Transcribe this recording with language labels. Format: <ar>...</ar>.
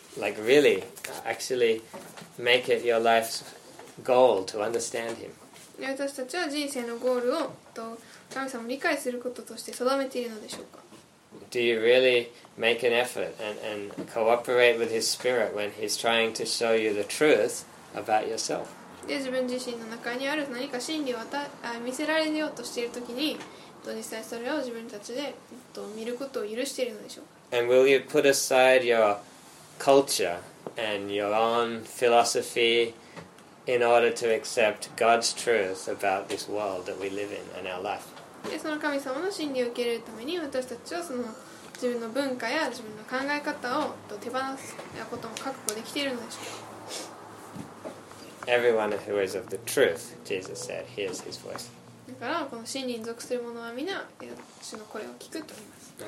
<en>Like really, actually make it your life's goal to understand him.</en> <ja>で、私たちは人生のゴールをと神様を理解することとして定めているのでしょうか?</ja> <en>Do you really make an effort and cooperate with his spirit when he's trying to show you the truth about yourself?</en> <ja>で、自分自身の中にある何か真理を見せられようとしているときに、実際それを自分たちで見ることを許しているのでしょうか?</ja> <en>And will you put aside your culture and your own philosophy in order to accept God's truth about this world that we live in and our life?</en> <ja>で、その神様の真理を受け入れるために私たちはその自分の文化や自分の考え方を手放すことも覚悟できているのでしょうか?</ja> <en>Everyone who is of the truth, Jesus said, hears his voice.</en> <ja>だからこの真理に属する者は皆主の声を聞くと言います。</ja>